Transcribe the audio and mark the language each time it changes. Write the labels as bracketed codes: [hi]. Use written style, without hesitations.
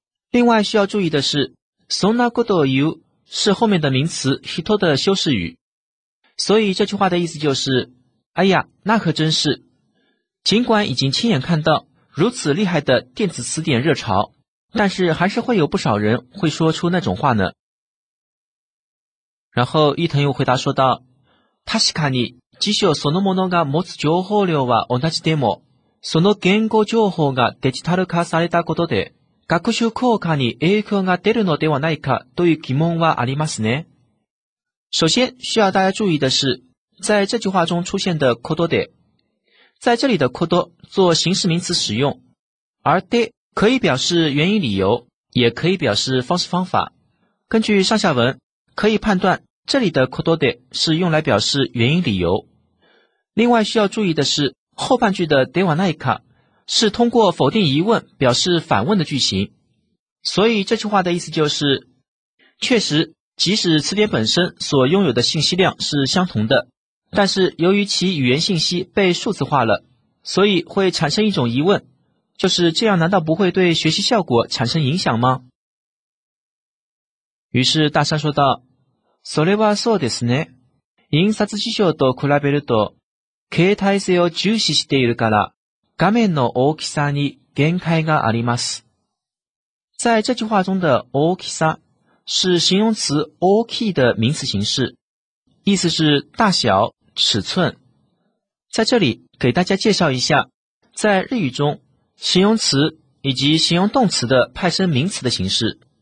[zh] 另外需要注意的是， [ja] そんなことを言う [zh] 是后面的名词人的修饰语，所以这句话的意思就是，哎呀，那可真是。尽管已经亲眼看到如此厉害的电子词典热潮，但是还是会有不少人会说出那种话呢。然后伊藤又回答说道， [ja] 確かに辞書そのものが持つ情報量は同じでも、その言語情報がデジタル化されたことで、学習効果に影響が出るのではないかという疑問はありますね。 [zh] 首先需要大家注意的是，在这句话中出现的ことで，在这里的ことで做形式名词使用，而で可以表示原因理由，也可以表示方式方法。根据上下文可以判断，这里的ことで是用来表示原因理由。另外需要注意的是，后半句的ではないか是通过否定疑问表示反问的句型。所以这句话的意思就是，确实即使词典本身所拥有的信息量是相同的，但是由于其语言信息被数字化了，所以会产生一种疑问，就是这样难道不会对学习效果产生影响吗？于是大山说道， [ja] それはそうですね。印刷辞書と比べると、携帯性を重視しているから、画面の大きさに限界があります。 [zh] 在这句话中的大きさ是形容词大きい的名词形式，意思是大小、尺寸。在这里给大家介绍一下，在日语中形容词以及形容动词的派生名词的形式。